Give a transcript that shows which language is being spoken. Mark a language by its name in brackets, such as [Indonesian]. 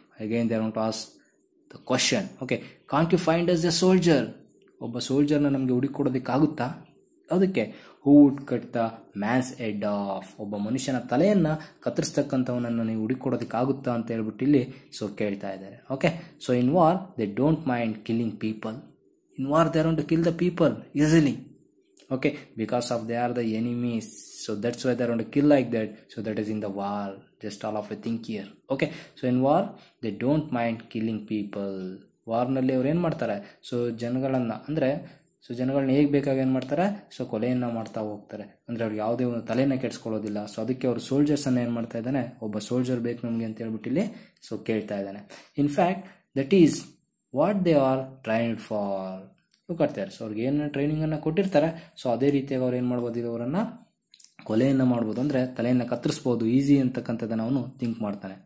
[English] Again they don't ask the question. Okay. Can't you find us a soldier, [Kannada] ಒಬ್ಬ ಸೋಲ್ಜರ್ನ ನಮಗೆ ಹುಡುಕಿಕೊಡೋದಕ್ಕಾಗುತ್ತಾ? ಅದಕ್ಕೆ [English] who would cut the man's head off, [Kannada] ಒಬ್ಬ ಮನುಷ್ಯನ ತಲೆಯನ್ನು ಕತ್ತರಿಸ್ತಕ್ಕಂಥವನನ್ನು ನೀವು ಹುಡುಕಿಕೊಡೋದಕ್ಕಾಗುತ್ತಾ ಅಂತ ಹೇಳ್ಬಿಟ್ಟು ಇಲ್ಲಿ ಸೊ ಕೇಳ್ತಾ ಇದ್ದಾರೆ. [English] Okay. So in war they don't mind killing people. In war, they are going to kill the people easily. Okay, because of they are the enemies. So that's why they are going to kill like that. So that is in the war. Just all of you think here. Okay, so in war, they don't mind killing people. War, they are going to kill people. So, [Kannada] janagalanna, andre, so ಜನಗಳನ್ನ ಹೇಗೆ ಬೇಕಾಗಿ ಏನು ಮಾಡ್ತಾರೆ, so ಕೊಲೆಯನ್ನು ಮಾಡ್ತಾ ಹೋಗ್ತಾರೆ. ಅಂದರೆ ಅವ್ರಿಗೆ ಯಾವುದೇ ಒಂದು ತಲೆನ ಕೆಡಿಸ್ಕೊಳ್ಳೋದಿಲ್ಲ. ಸೊ ಅದಕ್ಕೆ ಅವರು ಸೋಲ್ಜರ್ಸನ್ನು ಏನು ಮಾಡ್ತಾ ಇದ್ದಾನೆ, ಒಬ್ಬ ಸೋಲ್ಜರ್ ಬೇಕು ನಮಗೆ ಅಂತ ಹೇಳ್ಬಿಟ್ಟು ಇಲ್ಲಿ ಸೊ ಕೇಳ್ತಾ ಇದ್ದಾನೆ. [English] in fact that is what they are trained for, [Kannada] ಇವು ಕಟ್ತಾರೆ. ಸೊ ಅವ್ರಿಗೆ ಏನು ಟ್ರೈನಿಂಗನ್ನು ಕೊಟ್ಟಿರ್ತಾರೆ, ಸೊ ಅದೇ ರೀತಿಯಾಗಿ ಅವ್ರು ಏನು ಮಾಡ್ಬೋದು, ಇದು ಅವರನ್ನು ಕೊಲೆಯನ್ನು ಮಾಡ್ಬೋದು, ಅಂದರೆ ತಲೆಯನ್ನು ಕತ್ತರಿಸ್ಬೋದು ಈಸಿ ಅಂತಕ್ಕಂಥದ್ದನ್ನು ಅವನು ಥಿಂಕ್ ಮಾಡ್ತಾನೆ.